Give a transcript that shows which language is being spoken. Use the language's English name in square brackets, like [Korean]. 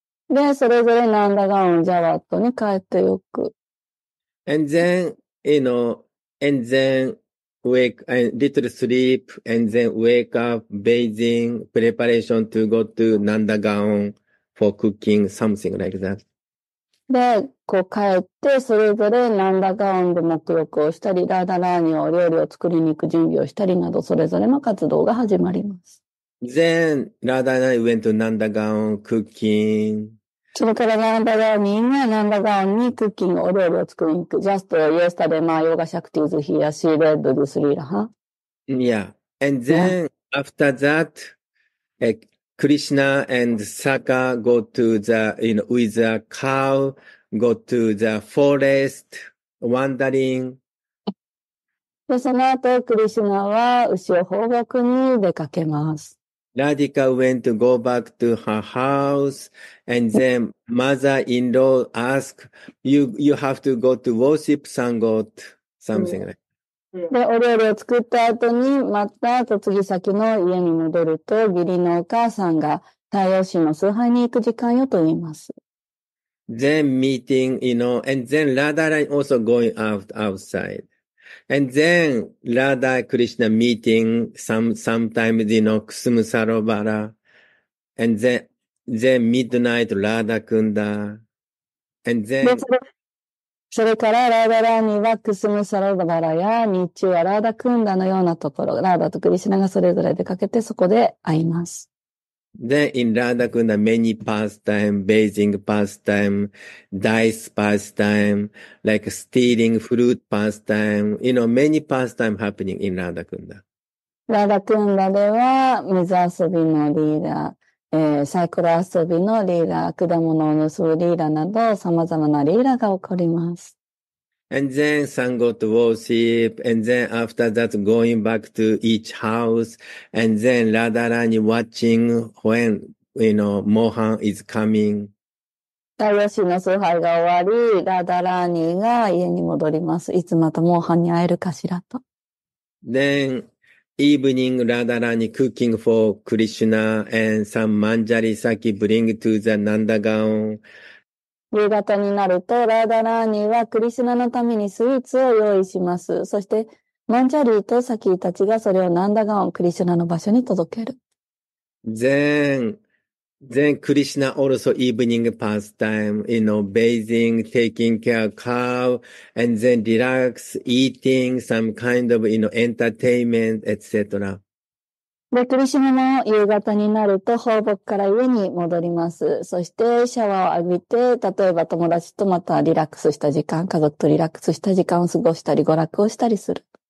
[Japanese] で、それぞれ Nandagaon、Jawat に帰ってゆく。 [English] And then, you know, and then wake, a little sleep, and then wake up, bathing, preparation to go to Nandagaon for cooking, something like that. [Japanese] で、こう帰って、それぞれ、ナンダガオンで沐浴をしたり、ラーダラーニを料理を作りに行く準備をしたりなど、それぞれの活動が始まります。 [English] Then, ラーダラーニ went to ナンダガオン cooking. [Japanese] そのからラーダラーニがナンダガオンにクッキングお料理を作りに行く。 [English] Just yesterday, my yoga shakti's here, she read the three, huh? Yeah. And then, after that, Krishna and Saka go to the, you know, with a cow, go to the forest, wandering. [Japanese] で、その後、クリシナは牛を放牧に出かけます。 [English] Radhika went to go back to her house, and then mother-in-law asked, you have to go to worship sun god, something like that. [Japanese] で、お料理を作った後に、また、嫁ぎ先の家に戻ると、義理のお母さんが、太陽神の崇拝に行く時間よと言います。 [English] Then meeting, you know, and then Radha also going out, outside. And then Radha Krishna meeting sometimes, you know, Kusumu Sarovara. And then midnight Radha Kunda. And then, [Japanese] それから、ラーダラーニはクスムサラダバラや、日中はラーダクンダのようなところ、ラーダとクリシナがそれぞれ出かけてそこで会います。 [English] Then, in ラーダクンダ many pastime, bathing pastime, dice pastime, like stealing fruit pastime, you know, many pastime happening in ラーダクンダ。 [Japanese] ラーダクンダでは、水遊びのリーダー、サイコロ遊びのリーラー、果物を盗むリーラーなど、様々なリーラーが起こります。 [English] And then, sun go to worship, and then after that, going back to each house, and then, Radharani watching when, you know, Mohan is coming. [Japanese] 太陽神の崇拝が終わり、ラダラーニが家に戻ります。いつまたモーハンに会えるかしらと。 [English] Then,Evening, Radharani cooking for Krishna and some manjari sake bring to the Nandagaon. [Japanese] 夕方になると、ラーダラーニはクリシュナのためにスイーツを用意します。そして、マンジャリとサキたちがそれをナンダガオン、クリシュナの場所に届ける。 [English] Then, Then Krishna also evening pastime, you know, bathing, taking care of cow, and then relax, eating, some kind of, you know, entertainment, etc. [Japanese] で、クリシナも夕方になると放牧から家に戻ります。そしてシャワーを浴びて、例えば友達とまたリラックスした時間、家族とリラックスした時間を過ごしたり、娯楽をしたりする。